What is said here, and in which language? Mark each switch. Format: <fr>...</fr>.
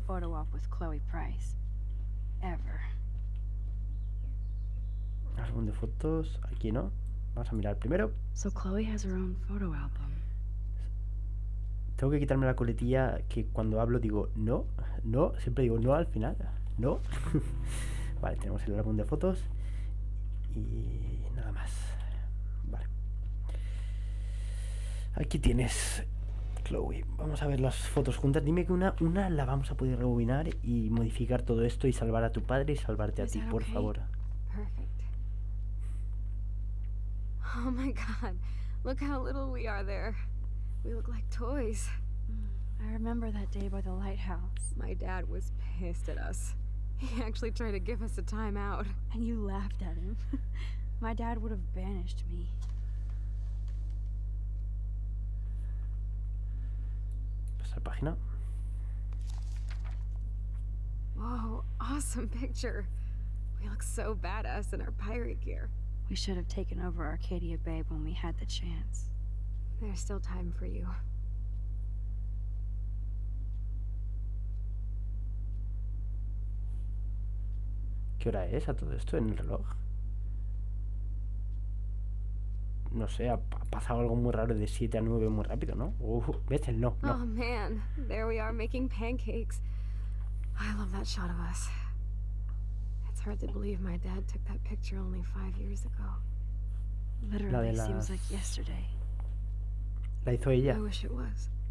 <en>Photo op with Chloe Price. Ever.</en> <es>Álbum de fotos, aquí no. Vamos a mirar primero.</es> <en>So Chloe has her own photo album.</en> <es>Tengo que quitarme la coletilla que cuando hablo digo no, no, siempre digo no al final, no. Vale, tenemos el álbum de fotos y nada más. Vale. Aquí tienes, Chloe. Vamos a ver las fotos juntas. Dime que una la vamos a poder rebobinar y modificar todo esto y salvar a tu padre y salvarte a ti, por favor. Perfecto.</es> <en>Oh my god. Look how little we are there. We look like toys. I remember that day by the lighthouse. My dad was pissed at us. He actually tried to give us a time out. And you laughed at him. My dad would have banished me.</en> <es>Pasar página.</es> <en>Whoa, awesome picture. We look so badass in our pirate gear. We should have taken over Arcadia Bay when we had the chance. There's still time for you.</en> <es>¿Qué hora es a todo esto en el reloj? No sé, ha pasado algo muy raro de 7 a 9 muy rápido, ¿no? ¿Ves el no? No.</es> <en>Oh, man. There we are making pancakes. I love that shot of us. It's hard to believe my dad took that picture only 5 years ago. Literally seems like yesterday.</en> <es>La hizo ella.</es> <en>I wish it was.</en>